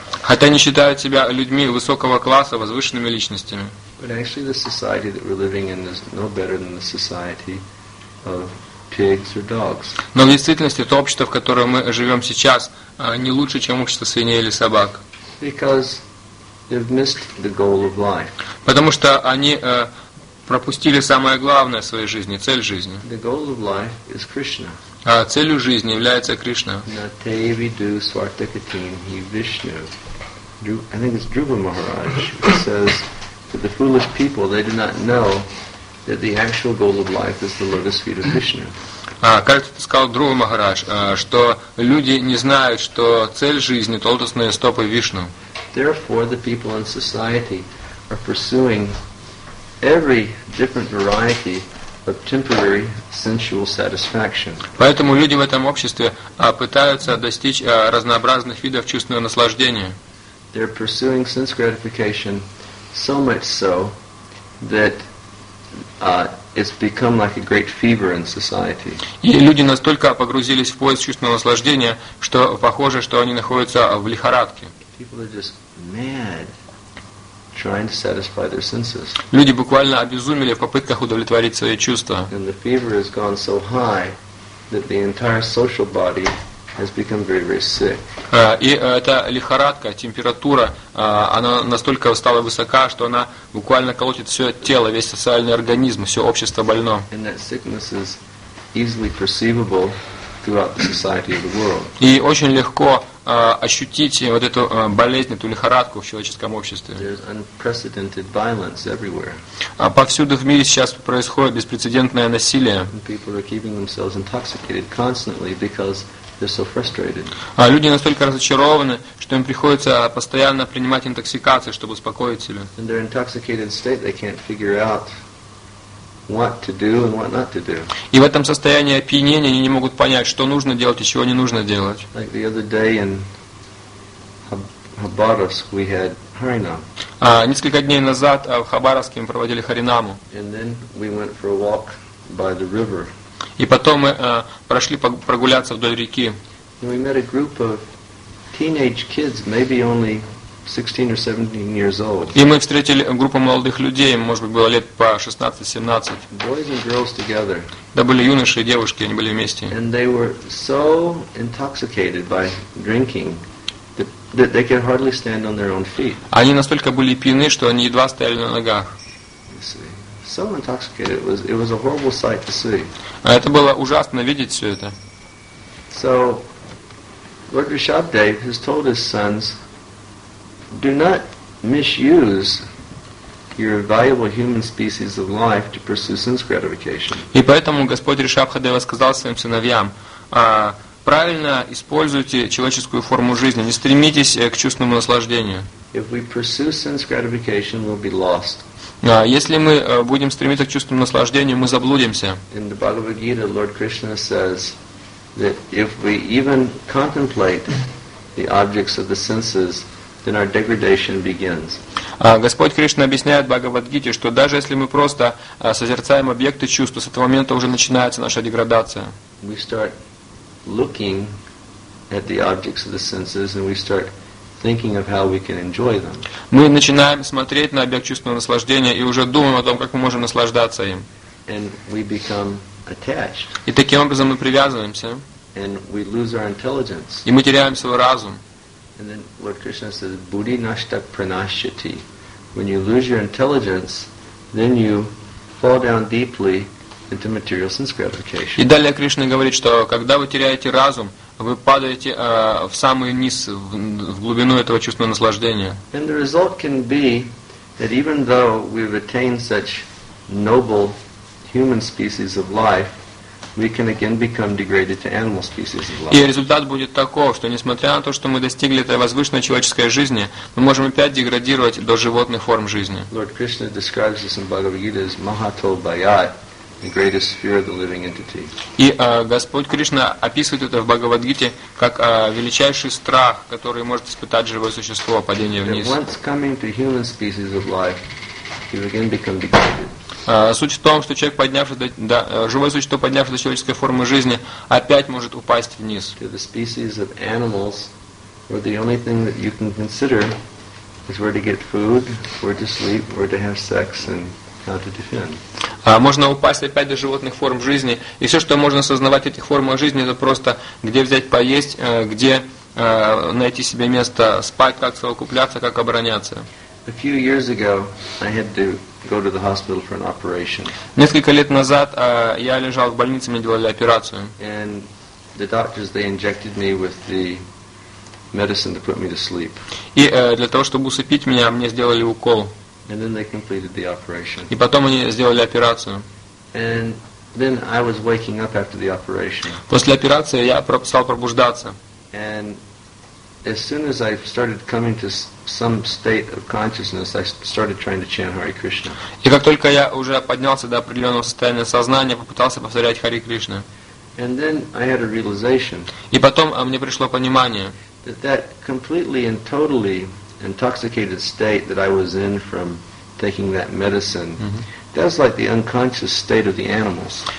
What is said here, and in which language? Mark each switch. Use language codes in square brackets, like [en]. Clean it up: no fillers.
[ru] Хотя они считают себя людьми высокого класса, возвышенными личностями. [en] But actually, the society that we're living in is no better than the society of pigs or dogs. [ru] Но в действительности то общество, в котором мы живем сейчас, не лучше, чем общество свиней или собак. [en] Because they've missed the goal of life. [ru] Потому что они пропустили самое главное в своей жизни, цель жизни. [en] The goal of life is Krishna. [ru] А целью жизни является Кришна. [sa] Nate vidu swartakatim hi Vishnu. [en] I think it's Dhruva Maharaj says that the foolish people, they do not know that the actual goal of life is the lotus feet of Vishnu. [ru] Кажется, ты сказал Друва Махарадж, что люди не знают, что цель жизни — это лотосные стопы Вишну. [en] Therefore, the people in society are pursuing every different variety of temporary sensual satisfaction. [ru] Поэтому люди в этом обществе пытаются достичь разнообразных видов чувственного наслаждения. [en] They're pursuing sense gratification so much so that it's become like a great fever in society. [ru] И люди настолько погрузились в поиск чувственного наслаждения, что похоже, что они находятся в лихорадке. [en] People are just mad trying to satisfy their senses. [ru] Люди буквально обезумели в попытках удовлетворить свои чувства. [en] And the fever has gone so high that the entire social body has become very, very sick. [ru] И эта лихорадка, температура, она настолько стала высока, что она буквально колотит все тело, весь социальный организм, все общество больно. [en] And that sickness is easily perceivable throughout the society of the world. [ru] И очень легко ощутить вот эту болезнь, эту лихорадку в человеческом обществе. [en] There's unprecedented violence everywhere. [ru] Повсюду в мире сейчас происходит беспрецедентное насилие. [en] And people are keeping themselves intoxicated constantly because they're so frustrated. [ru] Люди настолько разочарованы, что им приходится постоянно принимать интоксикацию, чтобы успокоить себя. [en] In their intoxicated state, they can't figure out what to do and what not to do. [ru] И в этом состоянии опьянения они не могут понять, что нужно делать и чего не нужно делать. [en] Like the other day in Khabarovsk, we had Harinam. [ru] Несколько дней назад в Хабаровске мы проводили Харинаму. [en] And then we went for a walk by the river. [ru] И потом мы прошли прогуляться вдоль реки. [en] And we met a group of teenage kids, maybe only 16 or 17 years old. [ru] И мы встретили группу молодых людей, может быть, было лет по 16-17. [en] Boys and girls together. [ru] Да, были юноши и девушки, они были вместе. [en] And they were so intoxicated by drinking that they could hardly stand on their own feet. [ru] Они настолько были пьяны, что они едва стояли на ногах. [en] So intoxicated, it was a horrible sight to see. [ru] А это было ужасно видеть все это. [en] So Lord Rishabhdev has told his sons, do not misuse your valuable human species of life to pursue sense gratification. [ru] И поэтому Господь Ришабхадев сказал своим сыновьям, правильно используйте человеческую форму жизни, не стремитесь к чувственному наслаждению. [en] If we pursue sense gratification, we'll be lost. [ru] Если мы будем стремиться к чувственному наслаждению, мы заблудимся. [en] In the Bhagavad Gita, Lord Krishna says that if we even contemplate the objects of the senses, then our degradation begins. [ru] Господь Кришна объясняет в Бхагавадгите, что даже если мы просто созерцаем объекты чувств, с этого момента уже начинается наша деградация. [en] We start looking at the objects of the senses, and we start thinking of how we can enjoy them. [ru] Мы начинаем смотреть на объект чувственного наслаждения и уже думаем о том, как мы можем наслаждаться им. [en] And we become attached. [ru] И таким образом мы привязываемся. [en] And we lose our intelligence. [ru] И мы теряем свой разум. [en] And then Lord Krishna says, [sa] "Buddhi nashta pranashyati." [en] When you lose your intelligence, then you fall down deeply into material sense gratification. [ru] И далее Кришна говорит, что когда вы теряете разум, вы падаете в самый низ, в глубину этого чувственного наслаждения. [en] And the result can be that even though we've attained such noble human species of life, we can again become degraded to animal species of life. [ru] И результат будет такой, что несмотря на то, что мы достигли этой возвышенной человеческой жизни, мы можем опять деградировать до животных форм жизни. [en] Lord Krishna describes this in Bhagavad Gita as [sa] Mahato Bhayat, [en] the greatest fear of the living entity. [ru] И Господь Кришна описывает это в Бхагавадгите как величайший страх, который может испытать живое существо, падение вниз. [en] That once coming to human species of life, you again become degraded. [ru] Суть в том, что человек, поднявшись живое существо, поднявшись до человеческой формы жизни, опять может упасть вниз. [en] To the species of animals, where the only thing that you can consider is where to get food, where to sleep, where to have sex, and how to defend. [ru] Можно упасть опять до животных форм жизни, и все, что можно осознавать в этих формах жизни, это просто где взять поесть, где найти себе место спать, как совокупляться, как обороняться. [en] A few years ago, I had to go to the hospital for an operation. [ru] Несколько лет назад я лежал в больнице, мне делали операцию. [en] And the doctors, they injected me with the medicine to put me to sleep. [ru] И для того, чтобы усыпить меня, мне сделали укол. [en] And then they completed the operation. [ru] И потом они сделали операцию. [en] And then I was waking up after the operation. [ru] После операции я стал пробуждаться. [en] And as soon as I started coming to some state of consciousness, I started trying to chant Hare Krishna. [ru] И как только я уже поднялся до определенного состояния сознания, попытался повторять Хари Кришна. [en] And then I had a realization. [ru] И потом мне пришло понимание. [en] That completely and totally intoxicated state that I was in from taking that medicine, that's like the unconscious state of the animals.